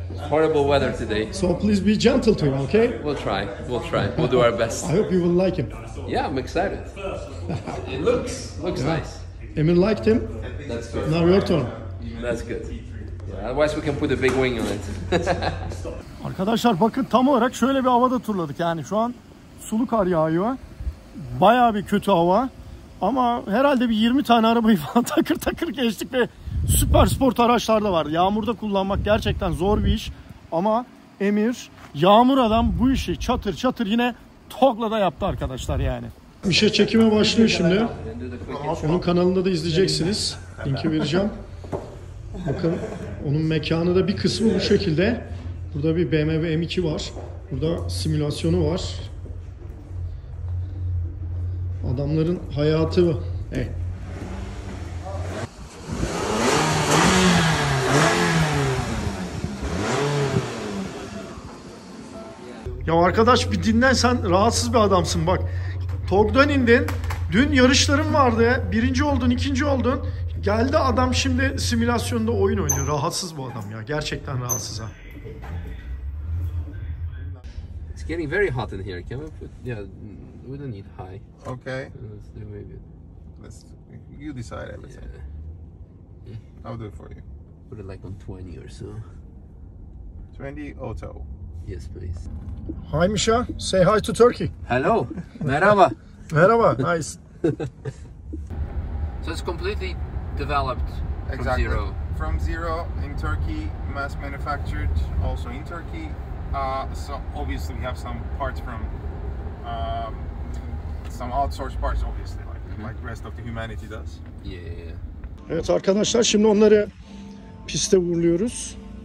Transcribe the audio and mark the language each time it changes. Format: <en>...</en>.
<en>Horrible weather today. So please be gentle to him, okay? We'll try. We'll try. We'll do our best. I hope you will like him. Yeah, I'm excited. It looks nice. Emil liked him. That's good. Now your turn. That's good. Yeah, otherwise we can put a big wing on it.</en> <tr>Arkadaşlar bakın, tam olarak şöyle bir havada turladık. Yani şu an sulu kar yağıyor. Bayağı bir kötü hava. Ama herhalde bir 20 tane arabayı falan takır takır geçtik ve süper spor araçlar da vardı. Yağmurda kullanmak gerçekten zor bir iş. Ama Emir yağmur adam bu işi çatır çatır yine Togg'la da yaptı arkadaşlar yani. İşe çekime başlıyor şimdi. Onun kanalında da izleyeceksiniz. Linki vereceğim. Bakın onun mekanı da bir kısmı bu şekilde. Burada bir BMW M2 var. Burada simülasyonu var. Adamların hayatı bu. Ya arkadaş bir dinlen, sen rahatsız bir adamsın bak. Togg'dan indin. Dün yarışların vardı. Birinci oldun, ikinci oldun. Geldi adam şimdi simülasyonda oyun oynuyor. Rahatsız bu adam ya. Gerçekten rahatsız ha.</tr> <en>It's getting very hot in here. Can we put... Yeah, we don't need high. Okay. Let's do maybe... Let's... You decide everything. Yeah. I'll do it for you. Put it like on 20 or so. 20 auto. Yes, please. Hi, Misha. Say hi to Turkey. Hello. Merhaba. Merhaba. Nice. So it's completely developed exactly. From zero. From zero in Turkey, mass manufactured also in Turkey. So obviously we have some parts from some outsourced parts, obviously, like rest of the humanity does. Yeah.</en> <tr>Evet arkadaşlar, şimdi onları piste vuruyoruz.</tr>